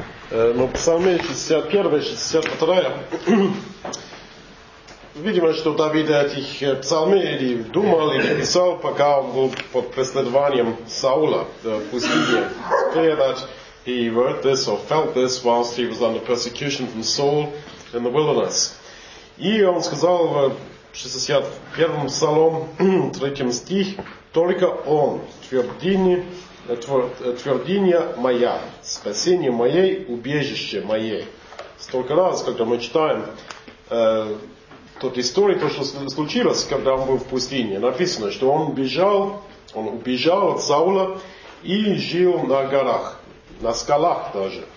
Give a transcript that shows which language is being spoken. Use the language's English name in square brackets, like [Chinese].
[Russian] Но Псалмы 61, 62, видимо, что Давид этих псалмы или думал, или писал, пока он был под преследованием Саула в пустыне. [English] Clear that he wrote this or felt this whilst he was under persecution from Saul in the wilderness. [Russian] И он сказал в 61 псалом, 3 стих, только он твердыня моя, спасение мое, убежище мое. Столько раз, когда мы читаем тот историю, то, что случилось, когда он был в пустыне, написано, что он убежал от Саула и жил на горах, на скалах даже.